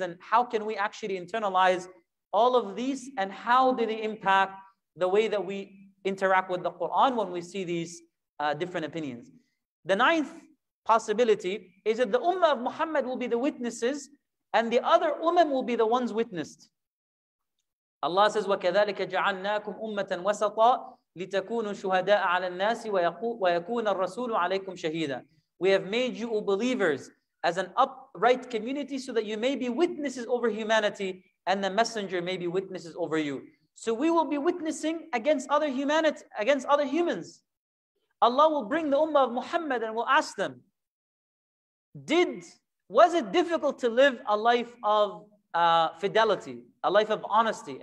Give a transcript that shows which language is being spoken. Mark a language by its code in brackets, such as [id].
[en] And how can we actually internalize all of these? And how do they impact the way that we interact with the Quran when we see these different opinions? The ninth possibility is that the ummah of Muhammad will be the witnesses and the other ummah will be the ones witnessed. Allah says, [ar] وَكَذَلِكَ جَعَلْنَاكُمْ أُمَّةً وَسَطًا لِتَكُونُوا شُهَدَاءَ عَلَى النَّاسِ وَيَكُونَ الرَّسُولُ عَلَيْكُمْ شَهِيدًا. [en] We have made you, O believers, as an upright community so that you may be witnesses over humanity and the messenger may be witnesses over you. So we will be witnessing against other humanity, against other humans. Allah will bring the ummah of Muhammad and will ask them, was it difficult to live a life of fidelity, a life of honesty?